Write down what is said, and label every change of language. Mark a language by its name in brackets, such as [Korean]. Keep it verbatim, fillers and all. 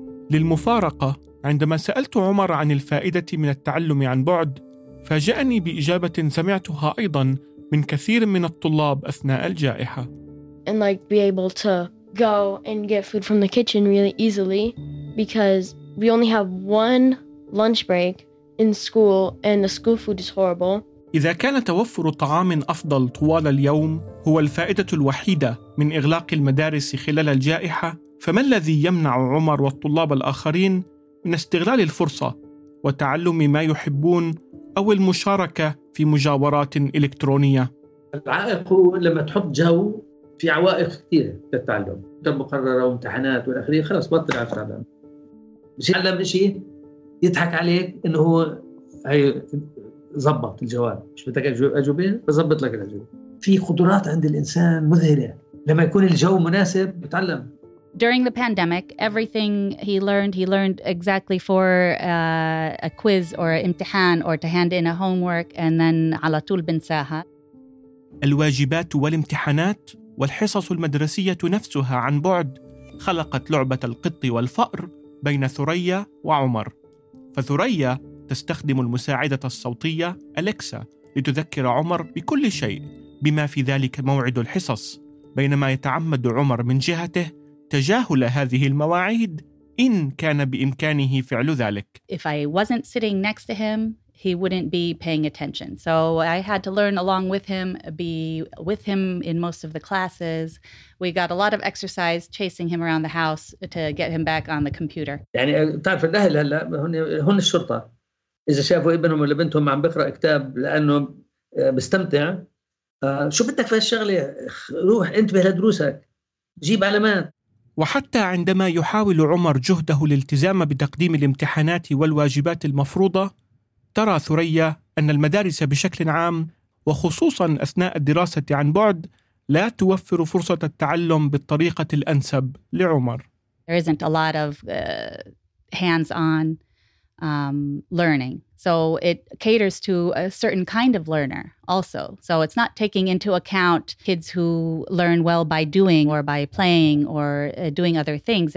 [Arabic] للمفارقة، عندما سألت عمر عن الفائدة من التعلم عن بعد فاجأني بإجابة سمعتها أيضاً من كثير من الطلاب أثناء الجائحة. [English] And like be able to go and get food from the kitchen really easily because we only have one lunch break in school and the school food is horrible. [Arabic] إذا كان توفر طعام أفضل طوال اليوم هو الفائدة الوحيدة من إغلاق المدارس خلال الجائحة، فما الذي يمنع عمر والطلاب الآخرين من استغلال الفرصة وتعلم ما يحبون أو المشاركة في مجاورات إلكترونية؟ العائق لما تحط جو في عوائق كثيرة للتعلم، مقررة وامتحانات والآخرين، خلاص بطل على التعلم. مش يتعلم شيء يضحك عليك إنه هو هي ضبط الجواب، مش بدك أجوبة بضبط لك الأجوبة. في قدرات عند الإنسان مذهلة لما يكون الجو مناسب بتعلم. [English] During the pandemic, everything he learned, he learned exactly for uh, a quiz or an imtihan or to hand in a homework and then [Arabic] على طول بنساها. الواجبات والامتحانات والحصص المدرسية نفسها عن بعد خلقت لعبة القط والفأر بين ثريا وعمر. فثريا تستخدم المساعدة الصوتية أليكسا لتذكر عمر بكل شيء بما في ذلك موعد الحصص، بينما يتعمد عمر من جهته تجاهل هذه المواعيد إن كان بإمكانه فعل ذلك. [English] If I wasn't sitting next to him, he wouldn't be paying attention. So I had to learn along with him, be with him in most of the classes. We got a lot of exercise chasing him around the house to get him back on the computer. [Arabic] يعني تعرف الأهل هلا هن هن الشرطة. إذا شافوا ابنهم ولا بنتهم عم بيقرأ كتاب لأنه بستمتع، شو بدك في هالشغلة؟ روح انتبه لدروسك، جيب علامات. وحتى عندما يحاول عمر جهده للالتزام بتقديم الامتحانات والواجبات المفروضة، ترى ثريا أن المدارس بشكل عام وخصوصا أثناء الدراسة عن بعد لا توفر فرصة التعلم بالطريقة الأنسب لعمر. [English] There isn't a lot of uh, hands-on um, learning. So it caters to a certain kind of learner also. So it's not taking into account kids who learn well by doing or by playing or uh, doing other things.